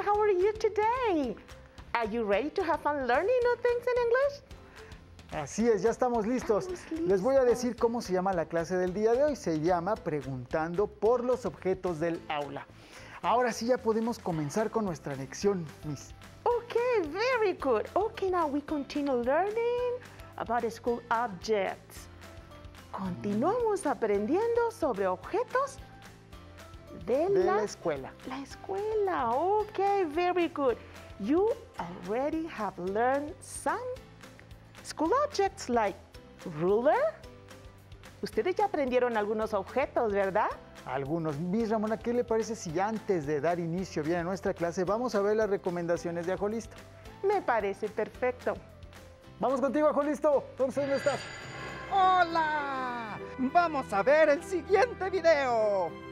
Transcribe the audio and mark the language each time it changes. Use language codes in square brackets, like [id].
[en] How are you today? Are you ready to have fun learning new things in English? [es] Así es, ya estamos listos. Les voy a decir cómo se llama la clase del día de hoy. Se llama Preguntando por los objetos del aula. Ahora sí ya podemos comenzar con nuestra lección, Miss. [en] Okay, very good. Okay, now we continue learning about school objects. [es] Continuamos aprendiendo sobre objetos de la escuela. La escuela. [en] Okay, very good. You already have learned some school objects like ruler. [es] Ustedes ya aprendieron algunos objetos, ¿verdad? Algunos. Miss Ramona, ¿qué le parece si antes de dar inicio bien a nuestra clase vamos a ver las recomendaciones de Ajolisto? Me parece perfecto. Vamos contigo, Ajolisto. ¿Dónde estás? ¡Hola! ¡Vamos a ver el siguiente video!